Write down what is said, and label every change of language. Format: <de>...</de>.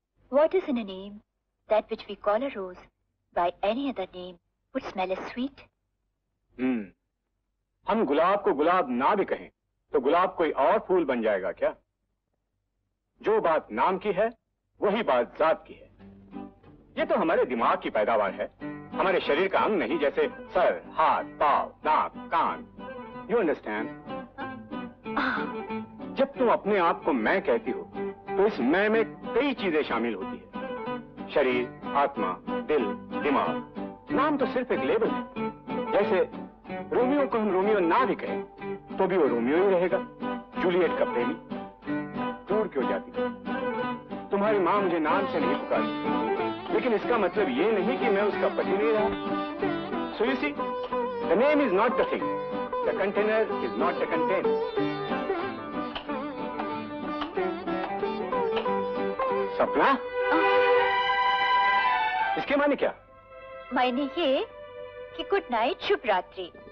<en>waters in a name, that which we call a rose, by any other name, would smell as sweet? Hmm.</en> <hi>हम गुलाब को गुलाब ना भी कहें, तो गुलाब कोई और फूल बन जाएगा क्या? जो बात नाम की है, वही बात जात की है। ये तो हमारे दिमाग की पैदावार है, हमारे शरीर का अंग नहीं, जैसे सर, हाथ, पांव, नाक, कान।</hi> <en>You understand?</en> <hi>जब तुम अपने आप को मैं कहती हो, तो इस मैं में कई चीजें शामिल होती हैं। शरीर, आत्मा, दिल, दिमाग। नाम तो सिर्फ एक लेबल है। जैसे रोमियो को हम रोमियो ना भी कहें, तो भी वो रोमियो ही रहेगा। जूलियट का प्रेमी। दूर क्यों जाती? तुम्हारी माँ मुझे नाम से नहीं पुकारती, लेकिन इसका मतलब ये नहीं कि मैं उसका पति नहीं रहा।</hi> <en>So you see, the name is not the thing. The container is not the contents.</en> <hi>सपना? इसके माने क्या? मायने ये कि</hi> <en>good night,</en> <hi>शुभ रात्रि।</hi>